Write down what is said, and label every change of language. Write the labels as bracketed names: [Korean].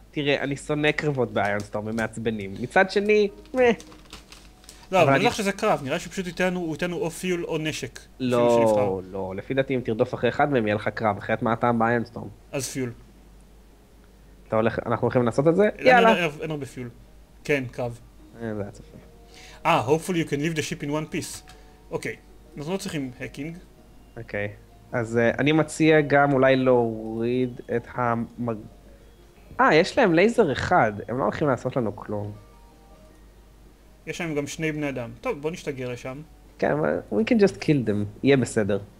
[Hebrew] תראה, אני שונא קרבות באיונסטורם, הם מעצבנים. מצד שני, לא, אבל אני לא חושב שזה קרב, נראה שפשוט ייתנו או פיול או נשק. לא. לפי דעתי, אם תרדוף אחרי אחד מהם, יהיה לך קרב. אחרי את מה הטעם באיונסטורם. אז פיול. אתה הולך, אנחנו הולכים לנסות את זה? יאללה. אין הרבה פיול. כן, קרב. זה היה צפי. [English] Hopefully you can leave the ship in one piece. [Hebrew] אוקיי, אנחנו לא צריכים hacking. אוקיי, אז אני מציע גם אולי להוריד את המג... יש להם לייזר אחד, הם לא הולכים לעשות לנו כלום. יש להם גם שני בני אדם. טוב, בוא נשתגר לשם. כן, אבל [English] we can just kill them, [Hebrew] יהיה בסדר.